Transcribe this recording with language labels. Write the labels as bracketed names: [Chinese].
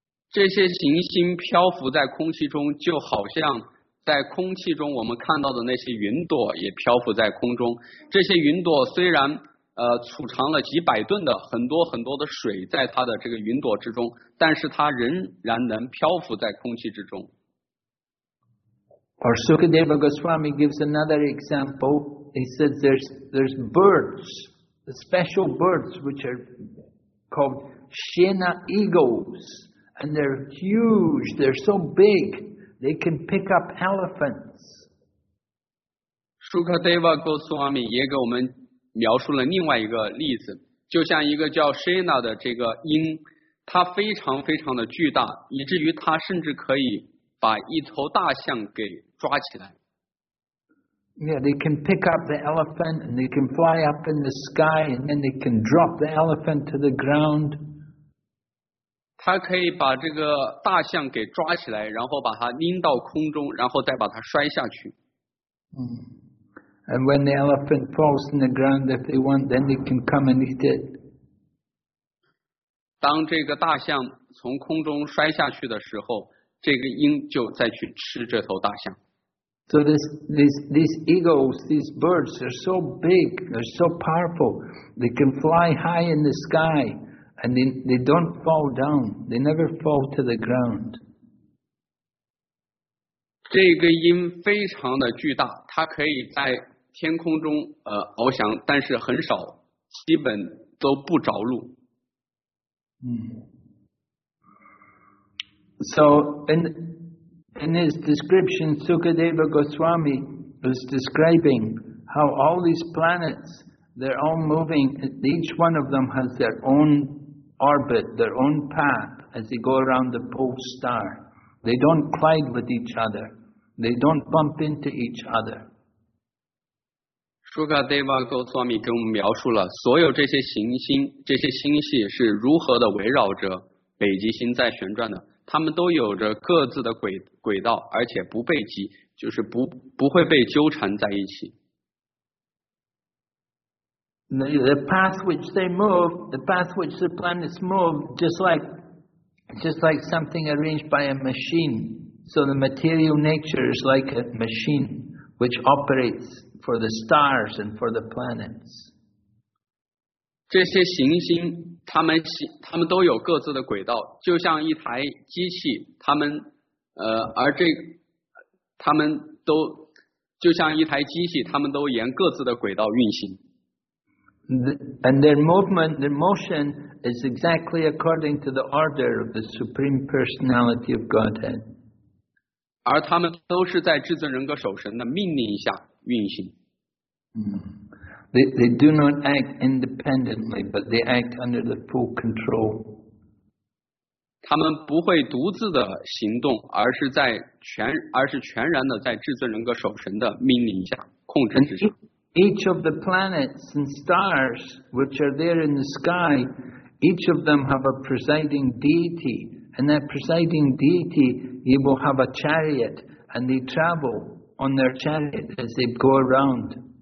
[Chinese] 这些行星漂浮在空气中，就好像在空气中我们看到的那些云朵也漂浮在空中。这些云朵虽然储藏了几百吨的很多很多的水在它的这个云朵之中，但是它仍然能漂浮在空气之中。 [English] Or Sukadeva Goswami gives another example. He says there's birds, special birds which are called Shena eagles, and they're huge. They're so big they can pick up elephants. [Chinese] Sukadeva Goswami 也给我们描述了另外一个例子，就像一个叫 Shena 的这个鹰，它非常非常的巨大，以至于它甚至可以把一头大象给抓起来。 [English] Yeah, they can pick up the elephant and they can fly up in the sky and then they can drop the elephant to the ground. [Chinese] 它可以把这个大象给抓起来，然后把它拎到空中，然后再把它摔下去。嗯。 [English] And when the elephant falls in the ground, if they want, then they can come and eat it. [Chinese] 当这个大象从空中摔下去的时候，这个鹰就再去吃这头大象。 [English] So these eagles, these birds, they're so big, they're so powerful. They can fly high in the sky, and they don't fall down. They never fall to the ground. [Chinese] 这个鹰非常的巨大，它可以在天空中翱翔，但是很少，基本都不着陆。嗯。 [English] So in his description, Sukadeva Goswami was describing how all these planets, they're all moving. Each one of them has their own orbit, their own path as they go around the pole star. They don't collide with each other. They don't bump into each other. [Chinese] Sukadeva Goswami 给我们描述了所有这些行星、这些星系是如何的围绕着北极星在旋转的。它们都有着各自的轨道，而且不被挤，就是不会被纠缠在一起。 [English] The path which they move, the path which the planets move, just like something arranged by a machine. So the material nature is like a machine which operates for the stars and for the planets. [Chinese] 这些行星它们都有各自的轨道，就像一台机器，它们都沿各自的轨道运行。 [English] And their movement, their motion is exactly according to the order of the Supreme Personality of Godhead. [Chinese] 而他们都是在至尊人格守神的命令下运行。 [English] They do not act independently, but they act under the full control. [Chinese] 他们不会独自的行动，而是全然的在至尊人格守神的命令下控制之下。 [English] Each of the planets and stars which are there in the sky, each of them have a presiding deity. And that presiding deity, he will have a chariot, and they travel on their chariot as they go around.